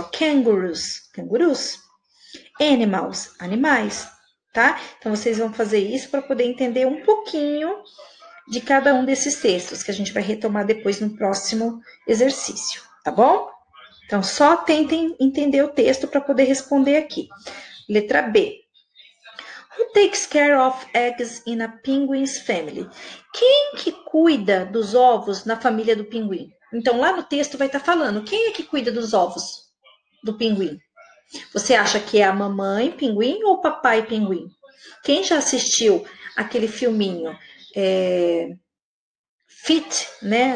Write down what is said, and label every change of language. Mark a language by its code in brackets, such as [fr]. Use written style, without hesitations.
[pt] Ó, kangaroos, cangurus. Animals, animais, tá? Então, vocês vão fazer isso para poder entender um pouquinho de cada um desses textos, que a gente vai retomar depois no próximo exercício, tá bom? Então, só tentem entender o texto para poder responder aqui. Letra B. [en] Who takes care of eggs in a penguin's family? [pt] Quem que cuida dos ovos na família do pinguim? Então, lá no texto vai estar falando, quem é que cuida dos ovos do pinguim? Você acha que é a mamãe pinguim ou o papai pinguim? Quem já assistiu aquele filminho Fit, né?